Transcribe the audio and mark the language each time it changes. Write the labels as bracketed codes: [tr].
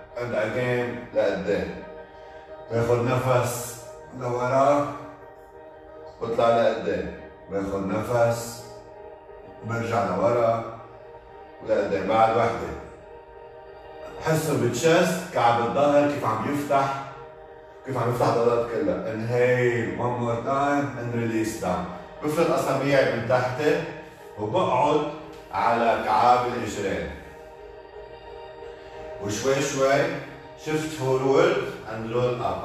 [ar] ابدا كان لقدام. باخذ نفس لورا بطلع لقدام. باخذ نفس برجع لورا لقدام. بعد وحده حسوا بالتشست كعب الظهر كيف عم يفتح كيف عم يفتح العضلات كلها. [en] Inhale one more time and release down. [ar] بفرد اصابيعي من تحتي وبقعد على كعاب الاجرين وشوي شوي [en] shift forward and roll up.